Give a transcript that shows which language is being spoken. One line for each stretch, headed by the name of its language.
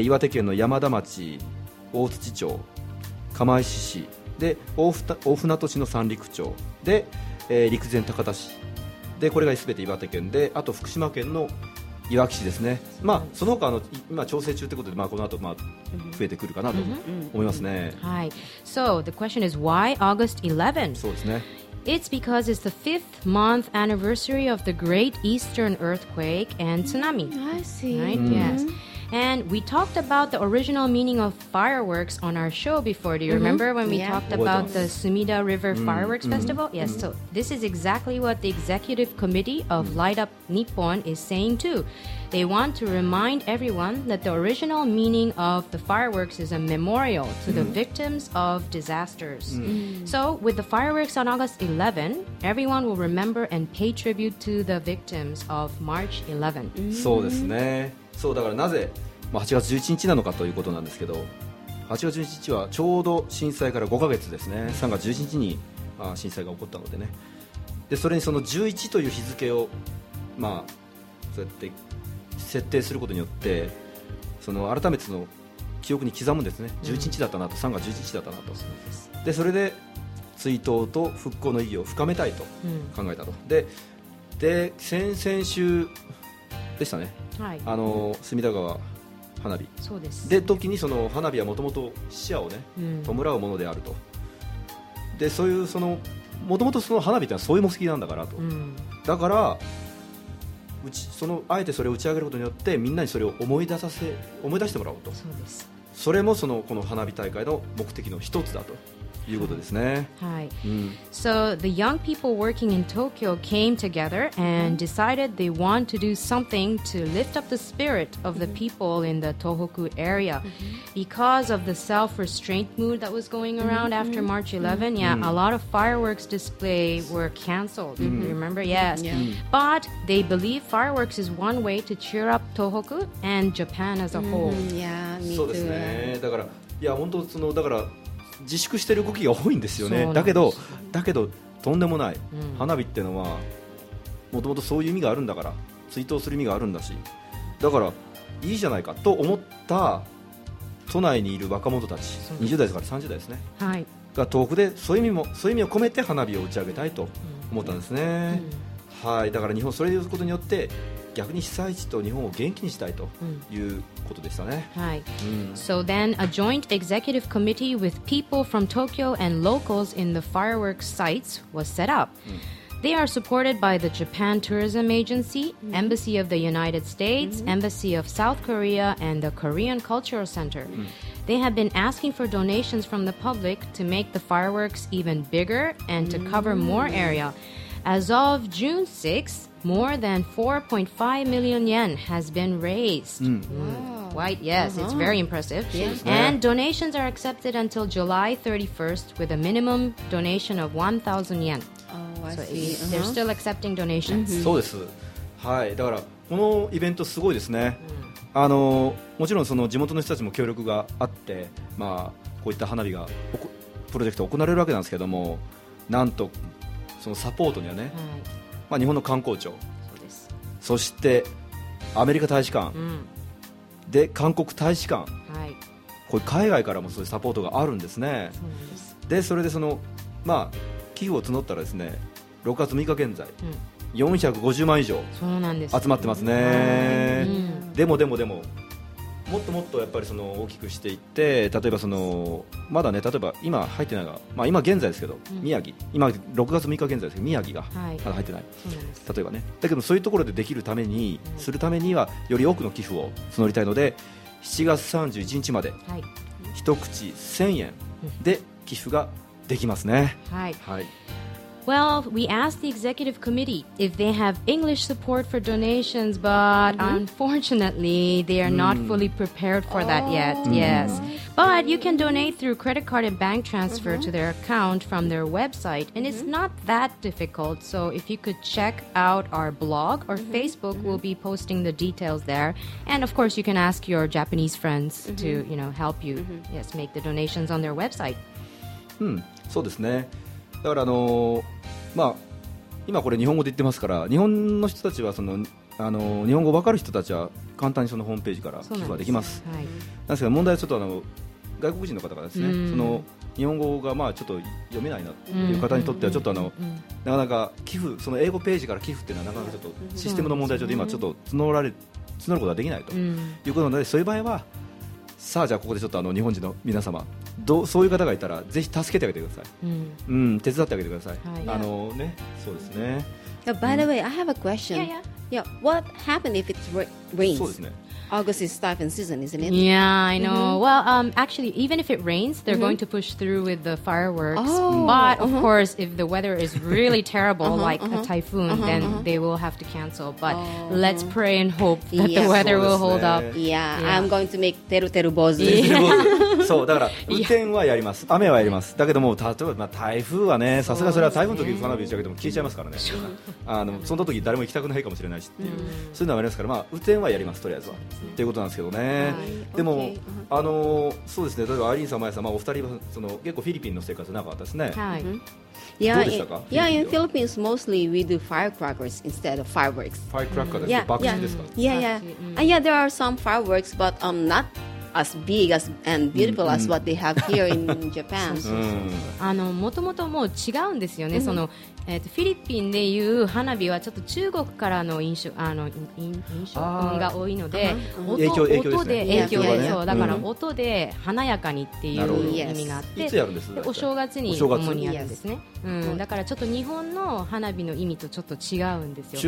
Japanese: 岩手県の山田町、大槌町、釜石市で 大船渡市の三陸町で陸前高田市でこれが全て岩手県で、あと福島県のいわき市ですね。まあその他の今調整中ということで、まあこの後まあ増えてくるかなと思いますね。
English: はい、So the question is why August 11?
Japanese: そうですね、
English: It's because it's the 5th month anniversary of the Great Eastern Earthquake and Tsunami. I see. Right? Yes. And we talked about the original meaning of fireworks on our show before. Do you remember when we talked about the Sumida River Fireworks Festival? Yes, so this is exactly what the Executive Committee of Light Up Nippon is saying too. They want to remind everyone that the original meaning of the fireworks is a memorial to the victims of disasters. So with the fireworks on August 11, everyone will remember and pay tribute to the victims of March 11.
Japanese: そうですね。そうだからなぜまあ、8月11日なのかということなんですけど、8月11日はちょうど震災から5ヶ月ですね。 3月11日に、まあ、震災が起こったのでね。でそれにその11という日付を、まあ、そうやって設定することによって、その改めてその記憶に刻むんですね。 11日だったなと、3月11日だったなと。でそれで追悼と復興の意義を深めたいと考えたと、うん、で先々週でしたね、はい、あの隅田川花火、そうですで時にその花火はもともと死者を、ね、弔うものであると、うん、でそういうそのもともとその花火ってのはそういう目的なんだからと、うん、だからそのあえてそれを打ち上げることによってみんなにそれを思い出してもらおうと、そうです、それもそのこの花火大会の目的の一つだということですね。
English: はい、うん、So the young people working in Tokyo came together and decided they want to do something to lift up the spirit of the people in the Tohoku area because of the self-restraint mood that was going around after March 11. Yeah, a lot of fireworks display were cancelled. Remember? Yes. But they believe fireworks is one way to cheer up Tohoku and Japan as a whole. Yeah, me too.
Japanese: そうですね。だから、いや本当そのだから自粛してる動きが多いんですよね。だけどとんでもない、うん、花火ってのはもともとそういう意味があるんだから、追悼する意味があるんだし、だからいいじゃないかと思った都内にいる若者たち、20代から30代ですね、はい、が遠くでそういう意味もそういう意味を込めて花火を打ち上げたいと思ったんですね、うんうん、はい、だから日本それをすることによって逆に被災地と日本を元気にしたいということでしたね。はい。 So then a joint executive committee with people from Tokyo and locals in the fireworks sites was set up. They are supported by the Japan Tourism Agency, Embassy of the United States, Embassy of South Korea, and the Korean Cultural Center. They have been asking for donations from the public to make the fireworks even bigger and to cover more area. As of June 6th,More than 4.5 million yen has been raised. Quite, yes, it's very impressive. And donations are accepted until July 31st with a minimum donation of 1,000 yen. They're still accepting donations. そうです。はい、だからこのイベントすごいですね。あのもちろんその地元の人たちも協力があって、まあこういった花火がプロジェクト行われるわけなんですけども、なんとそのサポートにはね。まあ、日本の観光庁、 そしてアメリカ大使館、うん、で韓国大使館、はい、これ海外からもそういうサポートがあるんですね。でそれでその、まあ、寄付を募ったらですね、6月6日現在、うん、450万以上集まってますね。でも、もっともっとやっぱりその大きくしていって、例えばそのまだね、例えば今入ってないが、まあ、今現在ですけど、うん、宮城、今6月6日現在ですけど宮城がまだ入ってない、はい、そうなんです。例えばね、だけどそういうところでできるために、うん、するためにはより多くの寄付を募りたいので、7月31日まで一口1000円で寄付ができますね。はい、はい。
English: Well, we asked the executive committee if they have English support for donations, but unfortunately, they are not fully prepared for that yet. Yes. But you can donate through credit card and bank transfer to their account from their website, and it's not that difficult. So if you could check out our blog or Facebook, we'll be posting the details there. And of course, you can ask your Japanese friends to, you know, help you, yes, make the donations on their website.
Japanese: そうですね。だからまあ、今これ日本語で言ってますから、日本の人たちはその日本語分かる人たちは簡単にそのホームページから寄付ができます。なんですが、はい、問題はちょっと外国人の方がですね、その日本語がまあちょっと読めないなという方にとってはちょっとなかなか寄付、その英語ページから寄付っていうのはなかなかちょっとシステムの問題で、ちょっと今ちょっと募ることができないということなので、そういう場合はさあ、じゃあここでちょっと日本人の皆様、そういう方がいたらぜひ助けてあげてください、手伝ってあげてください、はい、ね、そうですね。
English: By the way, I have a question. What happened if it rains?
Japanese: そうですね、
English: August is typhoon season, isn't it? Yeah, I know. Well, actually, even if it rains, they're going to push through with the fireworks. But, of course, if the weather is really terrible, like a typhoon, then they will have to cancel. But let's pray and hope that the weather will hold up. Yeah, I'm going to make teru teru bozu.
Japanese: そうだから雨天はやります、雨はやります。だけども例えば、まあ、台風はね、さすがそれは台風の時に花火打ち上げても消えちゃいますからね、あのその時誰も行きたくないかもしれないしっていう、うん、そういうのはありますから、まあ、雨天はやりますとりあえずは、うん、っていうことなんですけどね、はい、でも、okay. あのそうですね、例えばアイリーンさん、マヤさん、まあ、お二人はその結構フィリピンの生活長かったですね、はい、 Yeah, どうでしたか?
English: Yeah, in Philippines, mostly we do firecrackers instead of fireworks.
Japanese: Firecracker です。爆竹ですか?
English: Yeah, yeah. Yeah, there are some fireworks, but not as big as and beautiful as what they have here in Japan.
Japanese: もともともう違うんですよね。その、フィリピンでいう花火はちょっと中国からの印象、印象が多いので、音で影響だから音で華やかにっていう意味があって、いつやるんですか、お正月に主にやるんですね、うん、だからちょっと日本の花火の意味とちょっと違うんですよ、